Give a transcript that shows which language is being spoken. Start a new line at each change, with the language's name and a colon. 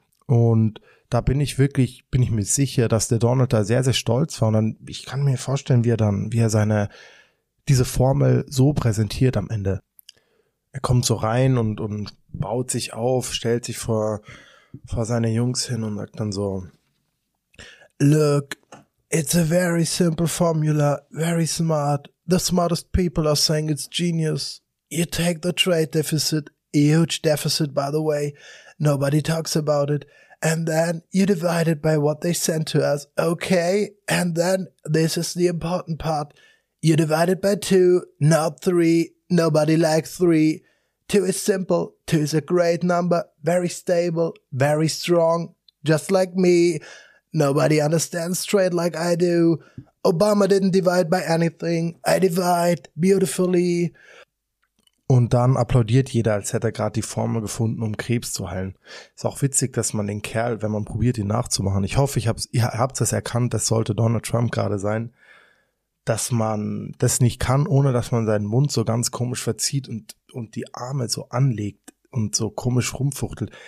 German: Und da bin ich mir sicher, dass der Donald da sehr, sehr stolz war. Und dann, ich kann mir vorstellen, wie er diese Formel so präsentiert am Ende. Er kommt so rein und baut sich auf, stellt sich vor seine Jungs hin und sagt dann so:
English: Look, it's a very simple formula, very smart. The smartest people are saying it's genius. You take the trade deficit, a huge deficit, by the way. Nobody talks about it. And then you divide it by what they sent to us. Okay, and then this is the important part. You divide it by 2, not 3. Nobody likes 3. 2 is simple. 2 is a great number. Very stable. Very strong. Just like me. Nobody understands trade like I do. Obama didn't divide by anything. I divide beautifully.
German: Und dann applaudiert jeder, als hätte er gerade die Formel gefunden, um Krebs zu heilen. Ist auch witzig, dass man den Kerl, wenn man probiert, ihn nachzumachen. Ich hoffe, ihr habt es erkannt, das sollte Donald Trump gerade sein, dass man das nicht kann, ohne dass man seinen Mund so ganz komisch verzieht und die Arme so anlegt und so komisch rumfuchtelt.